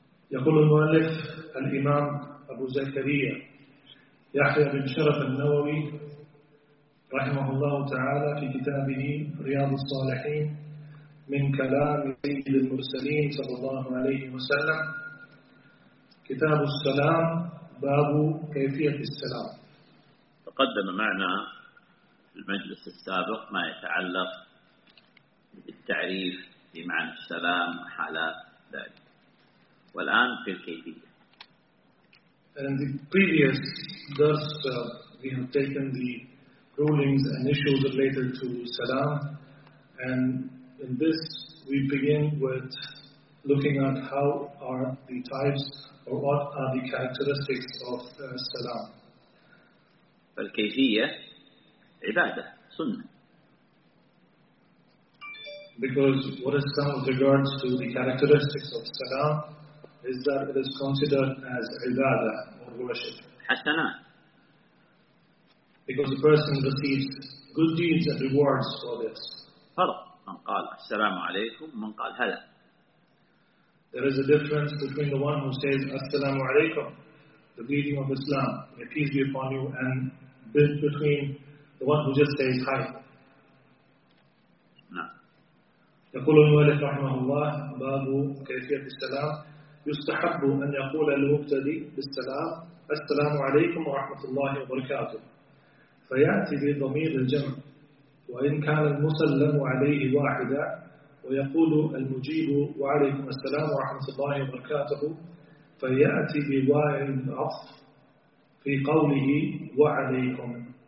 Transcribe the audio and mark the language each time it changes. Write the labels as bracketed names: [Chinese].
[Arabic] يقول المؤلف الإمام أبو زكريا يحيى بن شرف النووي رحمه الله تعالى في كتابه رياض الصالحين من كلام سيد المرسلين صلى الله عليه وسلم كتاب السلام باب كيفية السلام تقدم معنا في المجلس السابق ما يتعلق بالتعريف بمعنى السلام وحالات ذلك والآن في الكيفية. [English] In the previous verse, we have taken the rulings and issues related to salam, and in this we begin with looking at how are the types or what are the characteristics of salam. [Arabic] الكيفية عبادة سنة. [English] Because what is some with regards to the characteristics of salam? Is that it is considered as ibadah or worship. [Arabic] حسنات. [English] Because the person receives good deeds and rewards for this. [Arabic] فرق من قال السلام عليكم من قال هلا. [English] There is a difference between the one who says assalamu alaykum, the greeting of Islam, may peace be upon you, and between the one who just says hi. [Arabic] نعم. يقول المؤلف رحمه الله باب كيفية السلام يستحب أن يقول المبتدي بالسلام السلام عليكم ورحمة الله وبركاته فيأتي بضمير الجمع وإن كان المسلم عليه واحدا ويقول المجيب وعليكم السلام ورحمة الله وبركاته فيأتي بواو العطف في قوله وعليكم